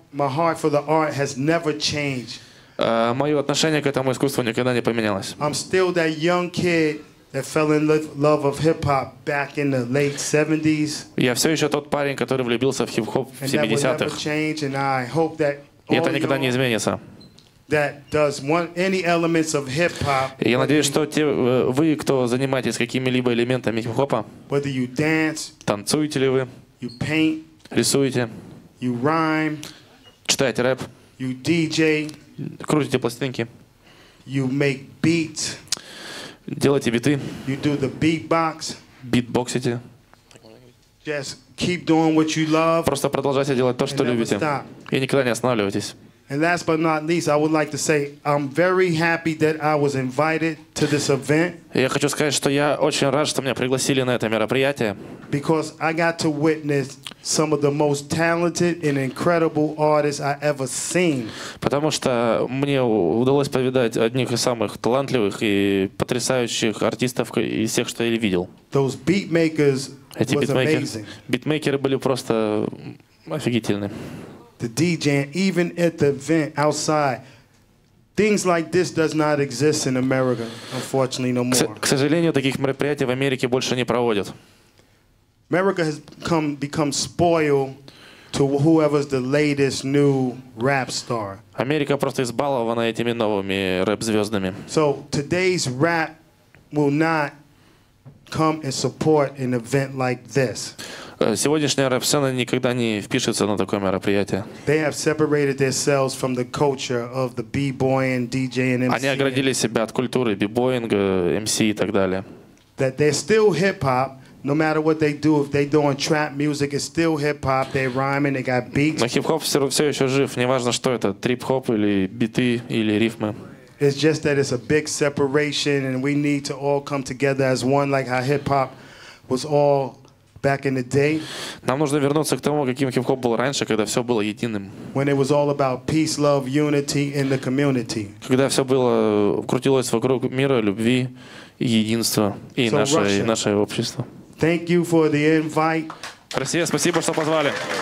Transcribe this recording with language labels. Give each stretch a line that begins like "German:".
English: My heart for the art has never changed.
Russian: Мое отношение к этому искусству никогда не поменялось.
English: I'm still that young kid that fell in love of hip hop back in the late 70s.
Russian: Я все еще тот парень, который влюбился в хип-хоп в 70-х.
English: And I hope that
Russian: и это никогда не изменится.
English: That does one, any elements of hip-hop.
Russian: Я надеюсь, что те, вы, кто занимаетесь какими-либо элементами хип-хопа,
English: whether you dance,
Russian: танцуете ли вы,
English: you paint,
Russian: рисуете,
English: you rhyme,
Russian: читаете рэп,
English: you DJ,
Russian: крутите пластинки,
English: you make beats.
Russian: Делайте биты.
English: You do the beatbox.
Russian: Битбоксите.
English: Just keep doing what you love.
Russian: Просто продолжайте делать то, что любите. И никогда не останавливайтесь.
English: And last but not least, I would like to say I'm very happy that I was invited to this event.
Russian: Я хочу сказать, что я очень рад, что меня пригласили на это мероприятие.
English: Because I got to witness some of the most talented and incredible artists I ever seen.
Russian: Потому что мне удалось повидать одних из самых талантливых и потрясающих артистов из всех, что я видел.
English: Those beatmakers were amazing.
Russian: Битмейкеры были просто офигительны.
English: The DJ, even at the event outside, things like this does not exist in America, unfortunately, no more.
Russian: К сожалению, таких мероприятий в Америке больше не проводят.
English: America has become spoiled to whoever's the latest new rap star.
Russian: Америка просто избалована этими новыми рэп-звездами.
English: So today's rap will not come and support an event like this.
Russian: Сегодняшняя рэп-сцена никогда не впишется на такое мероприятие.
English: They have separated themselves from the culture of the b-boying, DJing, MC.
Russian: Они оградили себя от культуры b-boying, MC и так далее.
English: That they're still hip-hop, no matter what they do. If they're doing trap music, it's still hip-hop. They're rhyming, they got beats.
Russian: Но хип-хоп все еще жив, неважно что это, трип-хоп или биты или рифмы.
English: It's just that it's a big separation, and we need to all come together as one, like how hip-hop was all back in the day.
Russian: Нам нужно вернуться к тому, каким хип-хоп был раньше, когда все было единым.
English: When it was all about peace, love, unity in the community.
Russian: Когда все было крутилось вокруг мира, любви, единства и нашего общества.
English: Thank you for the invite.
Russian: Россия, спасибо, что позвали.